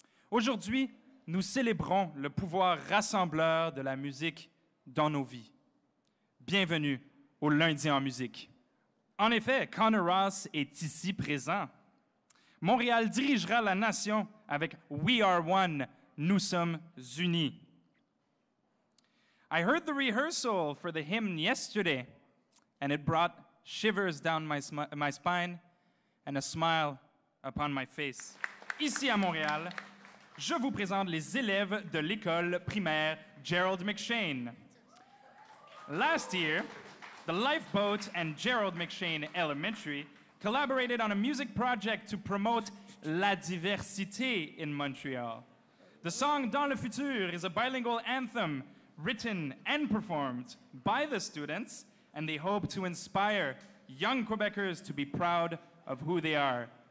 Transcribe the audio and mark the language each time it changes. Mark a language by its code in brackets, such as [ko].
[fr] Aujourd'hui, nous célébrons le pouvoir rassembleur de la musique dans nos vies. Bienvenue au Lundi en musique. En effet, Connor Ross est ici présent. Montréal dirigera la nation avec We Are One, Nous Sommes Unis. [en] I heard the rehearsal for the hymn yesterday, and it brought shivers down my spine and a smile upon my face. [fr] Ici à Montréal, je vous présente les élèves de l'école primaire Gerald McShane. [en] Last year, the Lifeboat and Gerald McShane Elementary collaborated on a music project to promote [fr] la diversité [en] in Montreal. The song Dans le futur is a bilingual anthem written and performed by the students, and they hope to inspire young Quebecers to be proud of who they are.